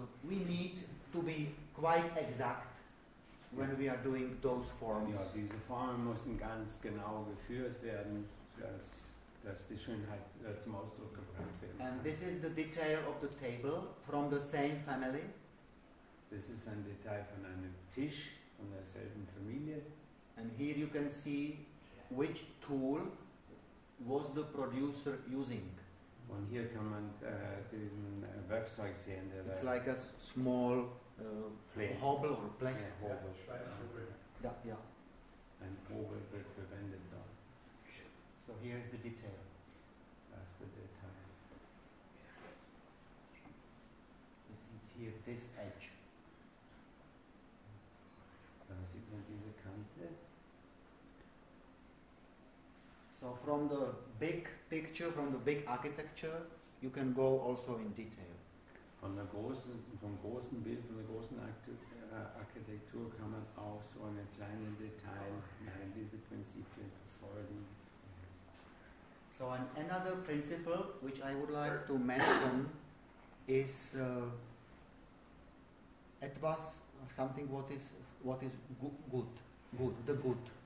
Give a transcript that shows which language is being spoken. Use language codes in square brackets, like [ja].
[en] we need to be quite exact when we are doing those forms. [de] Ja, diese Formen müssen ganz genau geführt werden, dass die Schönheit zum Ausdruck gebracht wird. [en] And this is the detail of the table from the same family. This is [de] ein Detail von einem Tisch von derselben Familie. [en] And here you can see which tool was the producer using. [de] Und hier kann man diesen Werkzeug sehen. Der [en] It's like a small hobble or plank. Yeah, hobble. Yeah. [de] Ein Hobel wird verwendet da. [en] So here is the detail. That's the detail. This is here, this edge. [de] Dann sieht man diese Kante. [en] So from the big picture, from the big architecture, you can go also in detail. [de] Von der vom großen Bild, von der großen Architektur kann man auch so in einem kleinen Detail diese Prinzipien verfolgen. [en] So another principle which I would like to mention is etwas, something what is good, the good.